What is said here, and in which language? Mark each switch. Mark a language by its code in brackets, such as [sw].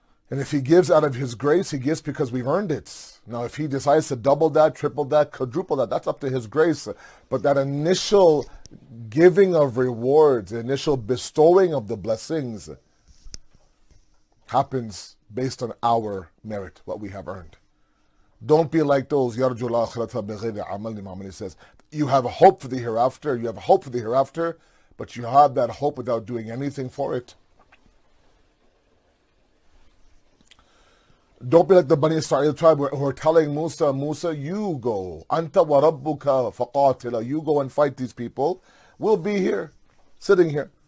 [en] And if He gives out of His grace, He gives because we've earned it. Now, if He decides to double that, triple that, quadruple that, that's up to His grace. But that initial giving of rewards, the initial bestowing of the blessings, happens based on our merit, what we have earned. Don't be like those, [ar] يَرْجُوا الْآخِرَةَ بِغَيْرِ عَمَلِ مَعْمَلِ. [en] Says, you have hope for the hereafter, you have hope for the hereafter, but you have that hope without doing anything for it. Don't be like the Bani Israel tribe who are telling Musa, you go, [ar] أَنْتَ وَرَبُّكَ فَقَاتِلَ, [en] you go and fight these people, we'll be here, sitting here.